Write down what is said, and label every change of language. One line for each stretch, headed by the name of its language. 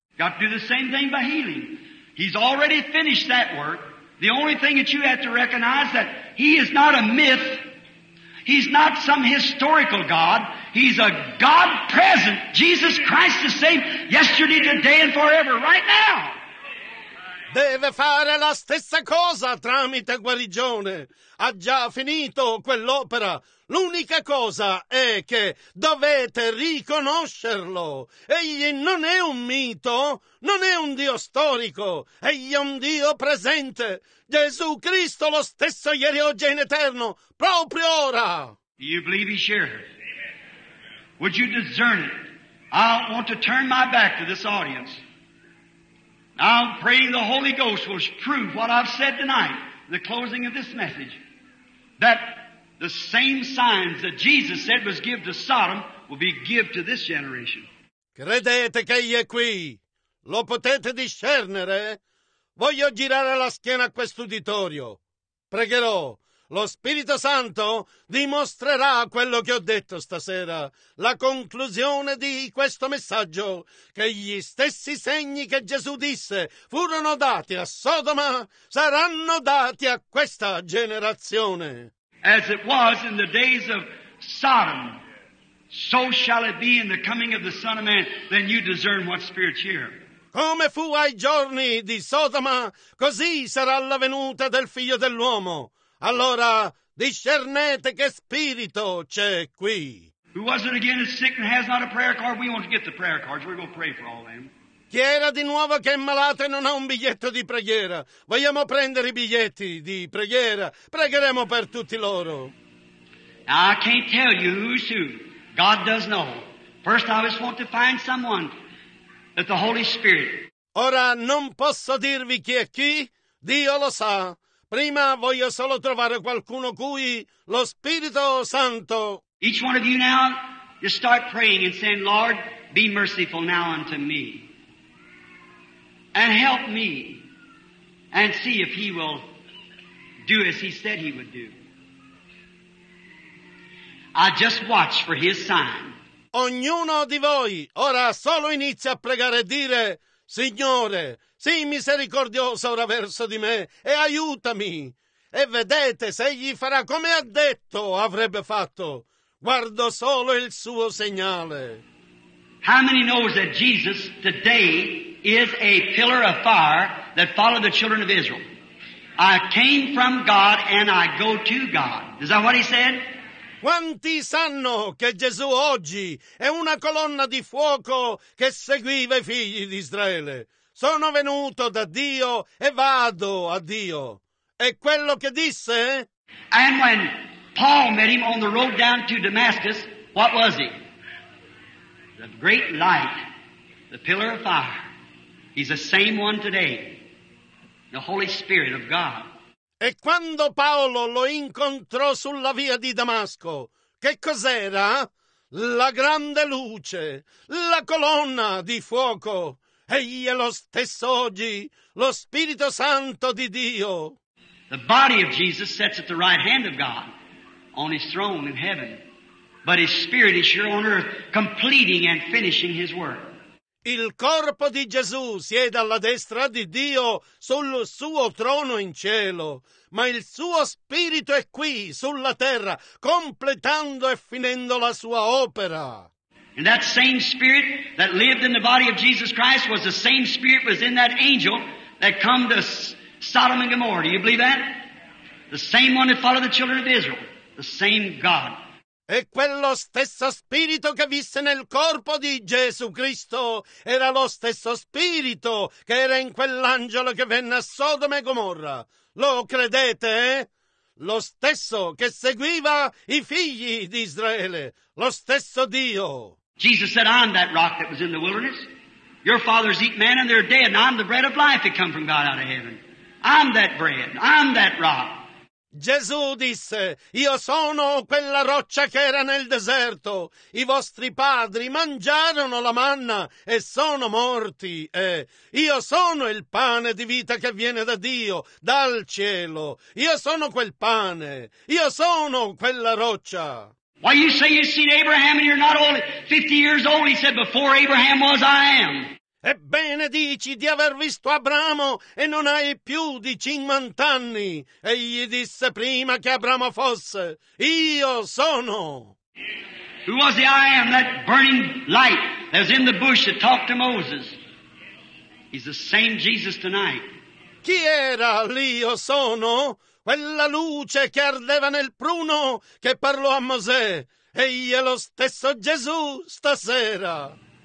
English: Got to do the same thing by healing. He's already finished that work. The only thing that you have to recognize is that he is not a myth. He's not some historical God. He's a God present. Jesus Christ the same yesterday, today, and forever, right now.
Italian: Deve fare la stessa cosa tramite guarigione. Ha già finito quell'opera. L'unica cosa è che dovete riconoscerlo. Egli non è un mito, non è un Dio storico. Egli è un Dio presente. Gesù Cristo lo stesso ieri, oggi e in eterno, proprio ora.
English: Do you believe he's here? Would you discern it? I want to turn my back to this audience. I'm praying the Holy Ghost will prove what I've said tonight, the closing of this message, that the same signs that Jesus said was give to Sodom will be give to this generation.
Italian: Credete che egli è qui? Lo potete discernere? Voglio girare la schiena a quest'uditorio. Pregherò. Lo Spirito Santo dimostrerà quello che ho detto stasera, la conclusione di questo messaggio, che gli stessi segni che Gesù disse furono dati a Sodoma, saranno dati a questa generazione.
English: As it was in the days of Sodom, so shall it be in the coming of the Son of Man. Then you discern what spirit's here.
Italian: Come fu ai giorni di Sodoma, così sarà la venuta del Figlio dell'uomo. Allora discernete che spirito c'è qui.
English: Who was it again? Is sick and has not a prayer card? We want to get the prayer cards. We're going to pray for all them.
Italian: Chi era di nuovo che è malato e non ha un biglietto di preghiera? Vogliamo prendere i biglietti di preghiera. Pregheremo per tutti loro.
English: I can't tell you who's who. God does know. First, I just want to find someone that the Holy Spirit.
Italian: Ora non posso dirvi chi è chi. Dio lo sa. Prima voglio solo trovare qualcuno cui lo Spirito Santo.
English: Each one of you now, just start praying and saying, Lord, be merciful now unto me. And help me. And see if he will do as he said he would do. I just watch for his sign.
Italian: Ognuno di voi ora solo inizia a pregare e dire, Signore, sii misericordioso ora verso di me e aiutami. E vedete se egli farà come ha detto avrebbe fatto. Guardo solo il suo segnale.
English: How many knows that Jesus today is a pillar of fire that followed the children of Israel? I came from God and I go to God. Is that what he said?
Italian: Quanti sanno che Gesù oggi è una colonna di fuoco che seguiva i figli di Israele? Sono venuto da Dio e vado a Dio. È quello che disse?
English: And when Paul met him on the road down to Damascus, what was he? The great light, the pillar of fire. He's the same one today, the Holy Spirit of God.
Italian: E quando Paolo lo incontrò sulla via di Damasco, che cos'era? La grande luce, la colonna di fuoco. Egli è lo stesso oggi, lo Spirito Santo di Dio.
English: The body of Jesus sits at the right hand of God, on his throne in heaven. But his spirit is here on earth, completing and finishing his work.
Italian: Il corpo di Gesù siede alla destra di Dio sul suo trono in cielo, ma il suo spirito è qui sulla terra, completando e finendo la sua opera.
English: And that same spirit that lived in the body of Jesus Christ was the same spirit was in that angel that come to Sodom and Gomorrah. Do you believe that? The same one that followed the children of Israel, the same God.
Italian: E quello stesso spirito che visse nel corpo di Gesù Cristo era lo stesso spirito che era in quell'angelo che venne a Sodoma e Gomorra. Lo credete? Lo stesso che seguiva i figli di Israele. Lo stesso Dio.
English: Jesus said, I'm that rock that was in the wilderness. Your fathers eat manna and they're dead. And I'm the bread of life that come from God out of heaven. I'm that bread. I'm that rock.
Italian: Gesù disse, io sono quella roccia che era nel deserto. I vostri padri mangiarono la manna e sono morti. Io sono il pane di vita che viene da Dio, dal cielo. Io sono quel pane. Io sono quella roccia.
English: Why you say you've seen Abraham and you're not only 50 years old? He said, before Abraham was I am.
Italian: Ebbene dici di aver visto Abramo e non hai più di 50 anni. Egli disse prima che Abramo fosse, io sono.
English: Who was the I am, that burning light that was in the bush that talked to Moses? He's the same Jesus tonight.
Italian: Chi era l'io sono? Quella luce che ardeva nel pruno che parlò a Mosè. Egli è lo stesso Gesù stasera.